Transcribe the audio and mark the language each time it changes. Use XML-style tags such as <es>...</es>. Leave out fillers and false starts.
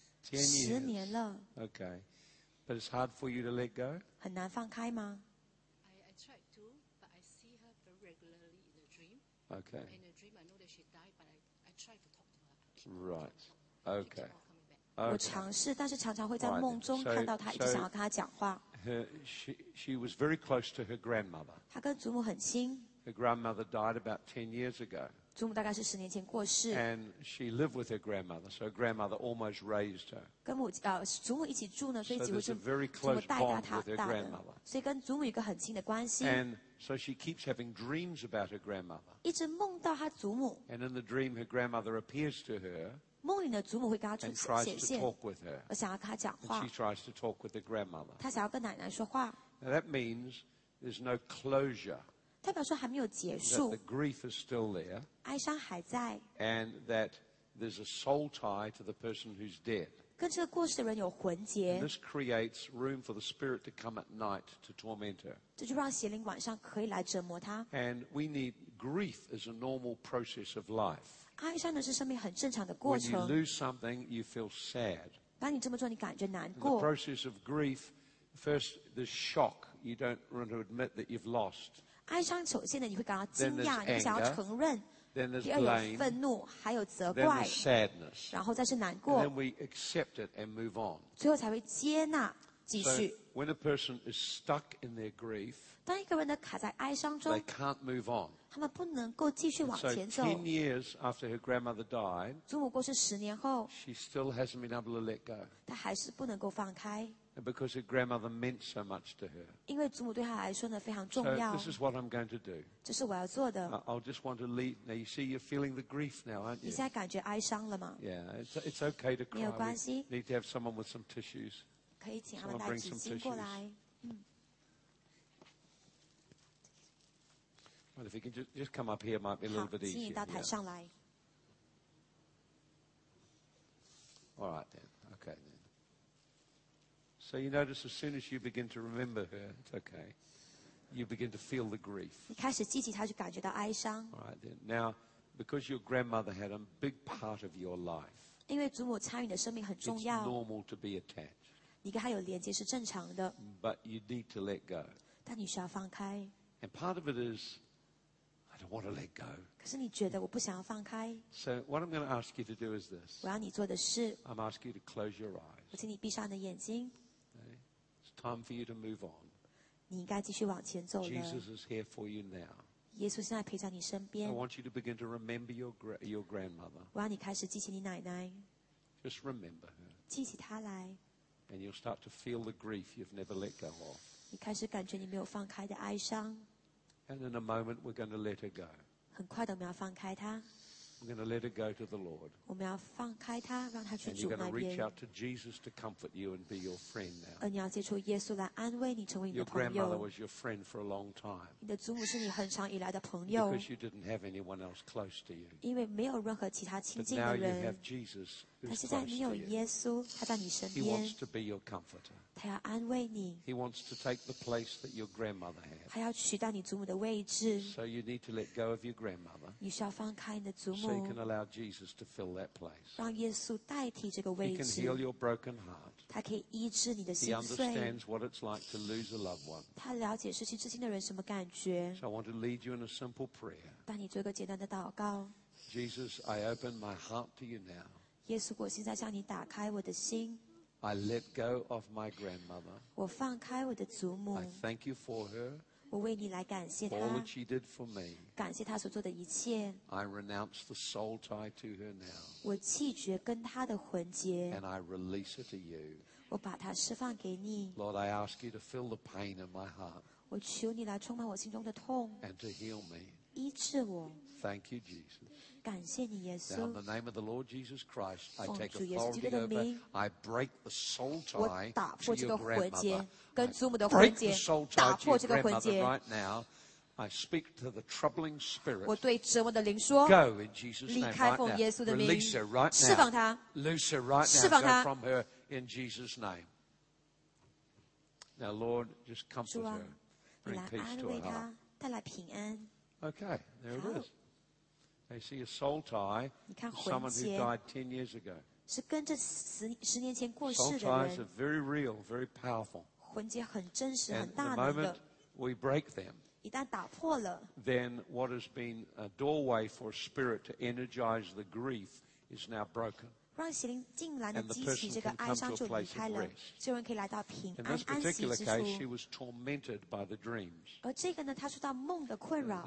<en>10 years.</en> <zh>十年了。</zh> <en>Okay. But it's hard for you to let go?</en> <zh>很难放开吗</zh> <en>I tried to, but I see her very regularly in a dream. Okay. In a dream, I know that she died, but I tried to talk to her. Right. Okay.</en> <zh>Okay. 我尝试，但是常常会在梦中看到她，一直想要跟她讲话。</zh> <en>She was very close to her grandmother.</en> <zh>她跟祖母很亲。</zh> <en>Her grandmother died about 10 years ago.</en> <zh>祖母大概是十年前过世。</zh> <en>And she lived with her grandmother, so her grandmother almost raised her.</en> <zh>跟母祖母一起住呢，所以几乎是祖母带大她大的。</zh> <en>So there's a very close bond with her grandmother.</en> <zh>所以跟祖母有一个很亲的关系。</zh> <en>And so she keeps having dreams about her grandmother.</en> <zh>一直梦到她祖母。</zh> <en>And in the dream, her grandmother appears to her.</en> <zh>梦里呢，祖母会跟她显现。</zh> <en>And tries to talk with her.</en> <zh>而想要跟她讲话。</zh> <en>And she tries to talk with the grandmother.</en> <zh>她想要跟奶奶说话。</zh> <en>Now that means there's no closure.</en> <zh>代表说还没有结束。</zh> <en>That the grief is still there,</en> <zh>哀伤还在。</zh> <en>And that there's a soul tie to the person who's dead.</en> <zh>跟这个过世的人有魂结。</zh> <en>And this creates room for the spirit to come at night to torment her.</en> <zh>这就让邪灵晚上可以来折磨他。</zh> <en>And we need grief as a normal process of life.</en> <zh>哀伤呢是生命很正常的过程。</zh> <en>When you lose something, you feel sad.</en> <zh>当你这么做，你感觉难过。</zh> <en>In the process of grief, first there's shock. You don't want to admit that you've lost.</en> <zh>哀伤首先呢，你会感到惊讶，你想要承认。</zh> <en>Then there's blame,</en> <zh>第二有愤怒，还有责怪。</zh> <en>Then sadness,</en> <zh>然后再是难过。</zh> <en>And then we accept it and move on.</en> <zh>最后才会接纳，继续。</zh> <en>So, when a person is stuck in their grief,</en> <zh>当一个人呢卡在哀伤中</zh> <en>they can't move on.</en> <zh>他们不能够继续往前走。</zh> <en>So, 10 years after her grandmother died,</en> <zh>祖母过世十年后</zh> <en>she still hasn't been able to let go.</en> <zh>她还是不能够放开。</zh> <en>Because her grandmother meant so much to her.</en> <zh>因为祖母对她来说呢非常重要。</zh> <en>So this is what I'm going to do.</en> <zh>这是我要做的。</zh> <en>I'll just want to lead. Now you see, you're feeling the grief now, aren't you?</en> <zh>你现在感觉哀伤了吗</zh> <en>？Yeah, it's okay to cry.</en> <zh>没有关系。</zh> <en>We need to have someone with some tissues.</en> <zh>可以请他们带纸巾过来。</zh> <en>嗯。Well, if you can just come up here, might be a little bit easier.</en> <zh>好，请你到台上来。</zh> <en>All right then. Okay then. So you notice as soon as you begin to remember her, it's okay. You begin to feel the grief.</en> <zh>你开始记起她就感觉到哀伤。</zh> <en>All right then. Now, because your grandmother had a big part of your life,</en> <zh>因为祖母参与的生命很重要。</zh> <en>It's normal to be attached.</en> <zh>你跟她有连接是正常的。</zh> <en>But you need to let go.</en> <zh>但你需要放开。</zh> <en>And part of it is, I don't want to let go.</en> <zh>可是你觉得我不想要放开。</zh> <en>So what I'm going to ask you to do is this.</en> <zh>我要你做的是。</zh> <en>I'm asking you to close your eyes.</en> <zh>我请你闭上你的眼睛。</zh> <en>Time for you to move on.</en> <zh>你应该继续往前走了。</zh> <en>Jesus is here for you now.</en> <zh>耶稣现在陪在你身边。</zh> <en>I want you to begin to remember your grandmother.</en> <zh>我要你开始记起你奶奶。</zh> <en>Just remember her.</en> <zh>记起她来。</zh> <en>And you'll start to feel the grief you've never let go of.</en> <zh>你开始感觉你没有放开的哀伤。</zh> <en>And in a moment we're going to let her go.</en> <zh>很快的我们要放开她。</zh> <en>I'm going to let her go to the Lord.</en> <zh>我们要放开他，让他去主那边。</zh> <en>And you're going to reach out to Jesus to comfort you and be your friend now.</en> <zh>而你要接触耶稣来安慰你，成为你的朋友。</zh> <en>Your grandmother was your friend for a long time.</en> <zh>你的祖母是你很长以来的朋友。</zh> <en>Because you didn't have anyone else close to you.</en> <zh>因为没有任何其他亲近的人。</zh> <en>But now you have Jesus.</en> <zh>但现在你有耶稣，他在你身边。</zh> <en>He wants to be your comforter.</en> <zh>他要安慰你。</zh> <en>He wants to take the place that your grandmother had.</en> <zh>他要取代你祖母的位置。</zh> <en>So you need to let go of your grandmother.</en> <zh>你需要放开你的祖母。</zh> <en>So you can allow Jesus to fill that place.</en> <zh>让耶稣代替这个位置。</zh> <en>He can heal your broken heart.</en> <zh>他可以医治你的心碎。</zh> <en>He understands what it's like to lose a loved one.</en> <zh>他了解失去至亲的人什么感觉。</zh> <en>So I want to lead you in a simple prayer.</en> <zh>带你做一个简单的祷告。</zh> <en>Jesus, I open my heart to you now.</en> <zh>耶稣，我现在向你打开我的心。</zh> <en>I let go of my grandmother.</en> <zh>我放开我的祖母。</zh> <en>I thank you for her.</en> <zh>我为你来感谢他</zh> <en>All that she did for me,</en> <zh>感谢他所做的一切</zh> <en>I renounce the soul tie to her now,</en> <zh>我弃绝跟他的魂结</zh> <en>and I release her to you.</en> <zh>我把他释放给你</zh> <en>Lord, I ask you to fill the pain in my heart,</en> <zh>我求你来充满我心中的痛</zh> <en>and to heal me.</en> <zh>医治我</zh> <en>Thank you, Jesus.</en> <zh>感谢你耶稣</zh> <en>Now in the name of the Lord Jesus Christ, I take authority over, I break the soul tie to your grandmother.</en> <zh>跟祖母的魂结，打破这个魂结。</zh> <en>Right now, I speak to the troubling spirit.</en> <zh>我对折磨的灵说，离开奉耶稣的名，释放他，</zh> <en>loose her right now,</en> <zh>释放他。</zh> <en>From her in Jesus' name. Now, Lord, just comfort her, bring peace to her heart.</en> <zh>带来平安。</zh> <en>Okay, there it is. They see a soul tie. Someone who died 10 years ago.</en> <zh>是跟着十年前过世的人。</zh> <en>Soul ties are very real, very powerful.</en> <zh>魂结很真实，很大</zh> <en>的。And the moment we break them,</en> <zh>一旦打破了</zh> <en>，then what has been a doorway for spirit to energize the grief is now broken.</en> <zh>让邪灵进来的激起这个哀伤就离开了，这人可以来到平安安息之处。</zh> <en>In this particular case, she was tormented by the dreams.</en> <zh>而这个呢，她受到梦的困扰。</zh>